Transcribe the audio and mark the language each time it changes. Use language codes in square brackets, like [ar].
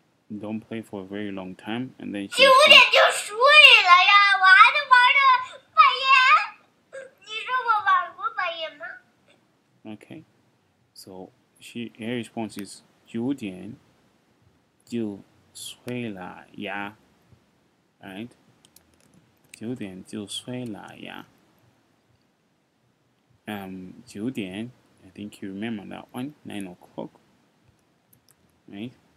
[en] Don't play for a very long time and then [zh] 九点就睡了呀，我还能玩到半夜。你说我玩过半夜吗？ [en] Okay. So she her response is [zh] 九点就睡了呀. [en] Right? [zh] 九点就睡了呀. 九点 [en] I think you remember that one, 9 o'clock, right?